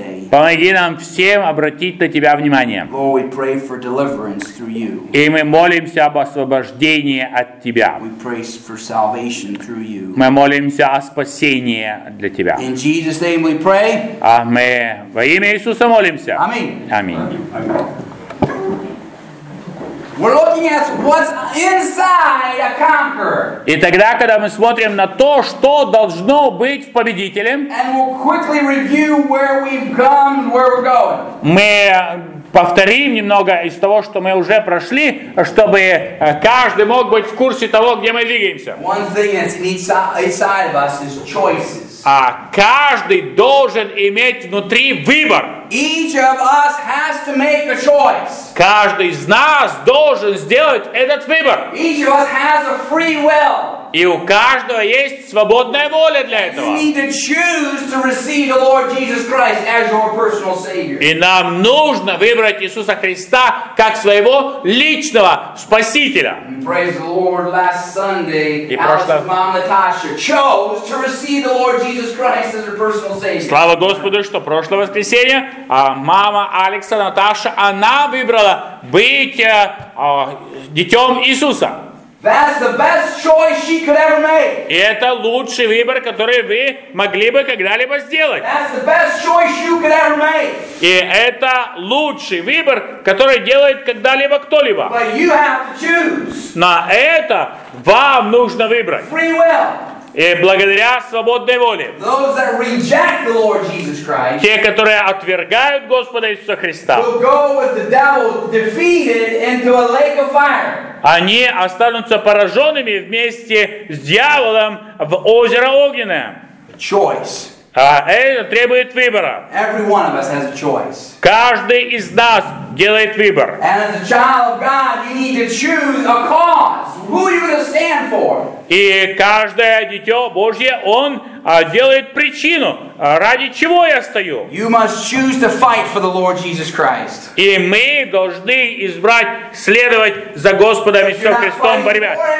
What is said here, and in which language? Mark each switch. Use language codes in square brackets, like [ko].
[ru] Помоги нам всем обратить на тебя внимание. И мы молимся об освобождении от тебя. Мы молимся о спасении для тебя. [en] In Jesus' name we pray. [ru] А мы во имя Иисуса молимся. Аминь. [en] We're looking at what's inside a conqueror. [ru] И тогда, когда мы смотрим на то, что должно быть в победителе, [en] and we'll quickly review where we've come, where we're going. [ru] Мы повторим немного из того, что мы уже прошли, чтобы каждый мог быть в курсе того, где мы двигаемся. [en] One thing that's inside of us is choices. [ru] А каждый должен иметь внутри выбор. [en] Each of us has to make a choice. [ru] Каждый из нас должен сделать этот выбор. [en] Each of us has a free will. [ru] И у каждого есть свободная воля для этого. [en] You need to choose to receive the Lord Jesus Christ as your personal Savior. [ru] И нам нужно выбрать Иисуса Христа как своего личного спасителя. [en] Praise the Lord, last Sunday, Alice's mom Natasha chose to receive the Lord Jesus Christ as her personal Savior. [ru] Слава Господу, что прошлое воскресенье мама Алекса Наташа, она выбрала быть детем Иисуса. [en] That's the best choice she could ever make. [ru] И это лучший выбор, который вы могли бы когда-либо сделать. [en] That's the best choice you could ever make. [ru] И это лучший выбор, который делает когда-либо кто-либо. [en] But you have to choose. [ru] На это вам нужно выбрать. [en] Free will. [ru] И благодаря свободной воле, [en] those that reject the Lord Jesus Christ, [ru] те, которые отвергают Господа Иисуса Христа, [en] will go with the devil defeated into a lake of fire. [ru] Они останутся пораженными вместе с дьяволом в озеро огненное. [en] Choice. [ru] А это требует выбора. [en] Every one of us has a choice. [ru] Каждый из нас делает выбор. [en] And as a child of God, you need to choose a cause. Who are you going to stand for? [ru] И каждое дитё Божье, он делает причину, ради чего я стою. [en] You must choose to fight for the Lord Jesus Christ. [ru] И мы должны избрать следовать за Господом Иисусом Христом в борьбе.